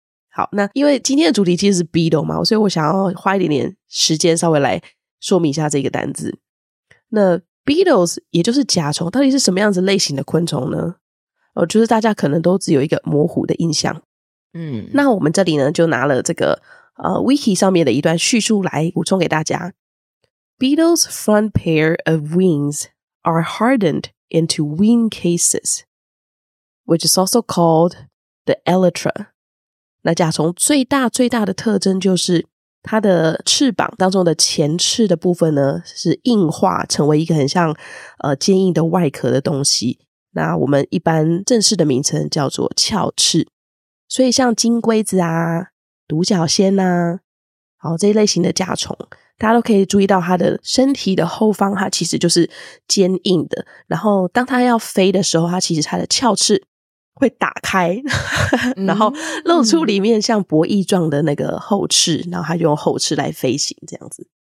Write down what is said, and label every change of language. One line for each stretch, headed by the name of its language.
Chinese: 好，那因为今天的主题其实是 beetle 嘛，所以我想要花一点点时间稍微来说明一下这个单字。那 beetles 也就是甲虫，到底是什么样子类型的昆虫呢？就是大家可能都只有一个模糊的印象。那我们这里呢就拿了这个Wiki 上面的一段叙述来补充给大家。
English: Beetles' front pair of wings are hardened into wing cases, which is also called the elytra。
Chinese: 那甲虫最大最大的特征就是它的翅膀当中的前翅的部分呢是硬化成为一个很像坚硬的外壳的东西，那我们一般正式的名称叫做鞘翅。所以像金龟子啊、独角仙啊，好，这一类型的甲虫，大家都可以注意到它的身体的后方，它其实就是坚硬的，然后当它要飞的时候，它其实它的鞘翅会打开然后露出里面像博弈状的那个后翅，然后它就用后翅来飞行这样子。